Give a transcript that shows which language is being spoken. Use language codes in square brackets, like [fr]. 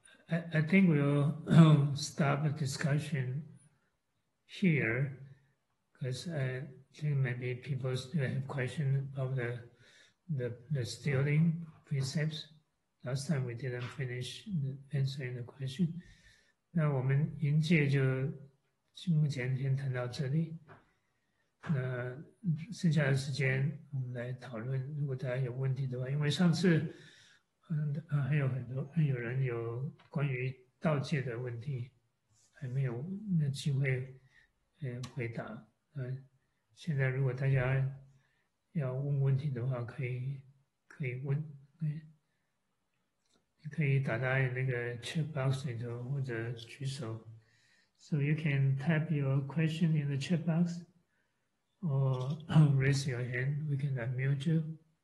[en] I think we'll stop the discussion here. Because I think maybe people still have questions about the stealing precepts. Last time we didn't finish answering the question. [zh] 那我们迎接就目前先谈到这里。那剩下的时间我们来讨论，如果大家有问题的话，因为上次还有很多，有人有关于盗窃的问题，还没有那机会回答。现在如果大家要问问题的话，可以问，可以打在那个chat box里头，或者举手。 [en] So you can type your question in the chat box. Or raise your hand, we can unmute you.